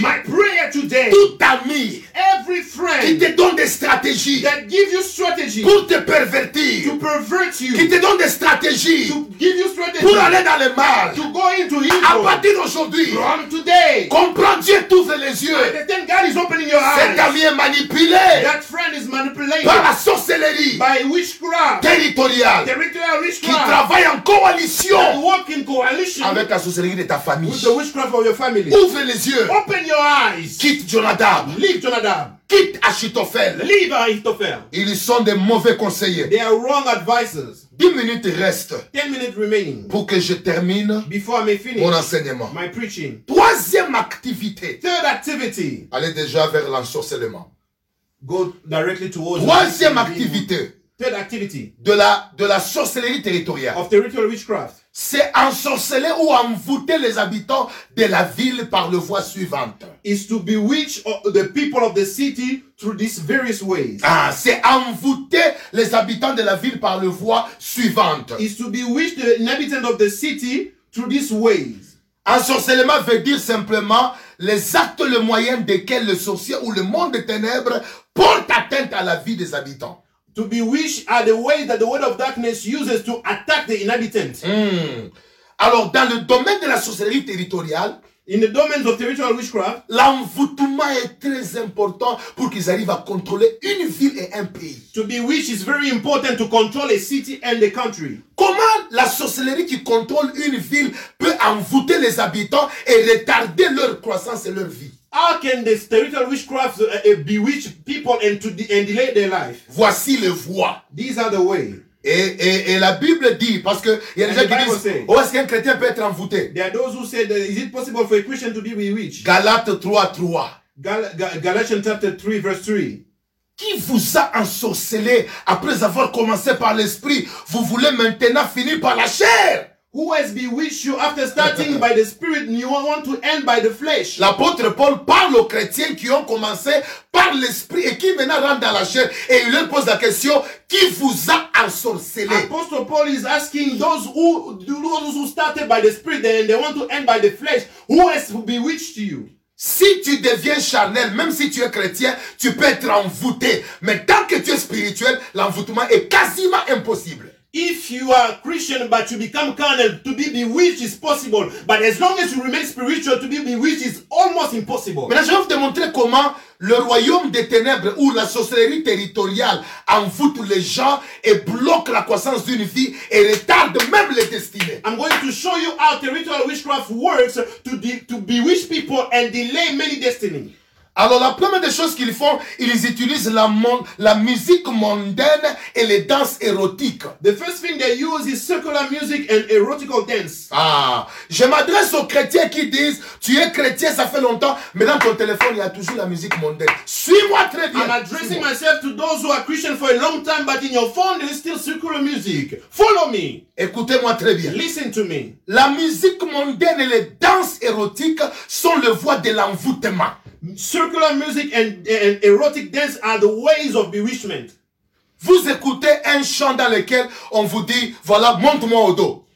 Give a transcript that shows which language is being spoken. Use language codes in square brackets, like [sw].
[en] My prayer today. [fr] Tout ami. [en] Every friend [fr] qui te donne des stratégies [en] that give you strategy [fr] pour te pervertir, [en] to pervert you, [fr] qui te donne des stratégies [en] to give you strategy [fr] pour aller dans le mal, [en] to go into evil. [fr] À partir d'aujourd'hui, [en] from today, [fr] comprends Dieu t'ouvre les yeux. [en] Understand, God is opening your eyes. [fr] Cet ami est manipulé. [en] That friend is manipulated [fr] par la sorcellerie, [en] by witchcraft, territorial witchcraft, [fr] qui travaille en coalition, [en] that work in coalition [fr] avec la sorcellerie de ta famille, [en] with the witchcraft of your family. [fr] Ouvre les yeux. [en] Open your eyes. [fr] Quitte Jonadab. [en] Leave Jonadab. [fr] Quitte Achitophel. [en] Leave Achitophel. [fr] Ils sont des mauvais conseillers. [en] They are wrong advisors. [fr] 10 minutes restent. [en] 10 minutes remaining. [fr] Pour que je termine. [en] Before I may finish. [fr] Mon enseignement. [en] My preaching. [fr] Troisième activité. [en] Third activity. [fr] Allez déjà vers l'ensorcellement. [en] Go directly towards. [fr] Troisième activité. [en] Third activity. [fr] De la sorcellerie territoriale. [en] Of territorial witchcraft. [fr] C'est ensorceler ou envoûter les habitants de la ville par le voie suivante. [en] Is to bewitch the people of the city through these various ways. [fr] Ah, c'est envoûter les habitants de la ville par le voie suivante. [en] Is to bewitch the inhabitants of the city through these ways. [fr] Ensorcellement veut dire simplement les actes, le moyen desquels le sorcier ou le monde des ténèbres porte atteinte à la vie des habitants. [en] To bewitch are the ways that the world of darkness uses to attack the inhabitants. [fr] Alors, dans le domaine de la sorcellerie territoriale, [en] in the domains of territorial witchcraft, [fr] l'envoûtement est très important pour qu'ils arrivent à contrôler une ville et un pays. [en] To bewitch is very important to control a city and a country. [fr] Comment la sorcellerie qui contrôle une ville peut envoûter les habitants et retarder leur croissance et leur vie? [en] How can the territorial witchcraft bewitch people and delay their life? [fr] Voici les voies. [en] These are the ways. [fr] Et la Bible dit, parce que il y a des gens qui disent, [en] say, [fr] oh, est-ce qu'un chrétien peut être envoûté? [en] There are those who say, that, is it possible for a Christian to be bewitched? [fr] Galates 3, 3. [en] Galatians chapter 3, verse 3. [fr] Qui vous a ensorcelé après avoir commencé par l'esprit? Vous voulez maintenant finir par la chair? [en] Who has bewitched you after starting by the spirit and you want to end by the flesh? [fr] L'apôtre Paul parle aux chrétiens qui ont commencé par l'esprit et qui maintenant rentrent dans la chair et il leur pose la question, qui vous a ensorcelé? [en] Apostle Paul is asking those who started by the spirit and they want to end by the flesh, who has bewitched you? [fr] Si tu deviens charnel, même si tu es chrétien, tu peux être envoûté. Mais tant que tu es spirituel, l'envoûtement est quasiment impossible. [en] If you are Christian but you become carnal, to be bewitched is possible. But as long as you remain spiritual, to be bewitched is almost impossible. [fr] Maintenant, je vais vous démontrer comment le royaume des ténèbres ou la sorcellerie territoriale envoûte les gens et bloque la croissance d'une vie et retarde même les destinées. [en] I'm going to show you how territorial witchcraft works to bewitch people and delay many destinies. [fr] Alors la première des choses qu'ils font, ils utilisent la musique mondaine et les danses érotiques. [en] The first thing they use is secular music and erotical dance. [fr] Ah, je m'adresse aux chrétiens qui disent, tu es chrétien ça fait longtemps, mais dans ton téléphone il y a toujours la musique mondaine. Suis-moi très bien. [en] I'm addressing myself to those who are Christian for a long time, but in your phone there is still secular music. Follow me. [fr] Écoutez-moi très bien. [en] Listen to me. [fr] La musique mondaine et les danses érotiques sont le voie de l'envoûtement. [en] Circular music and erotic dance are the ways of bewitchment. [fr] Vous écoutez un chant dans lequel on vous dit, voilà, monte-moi au dos.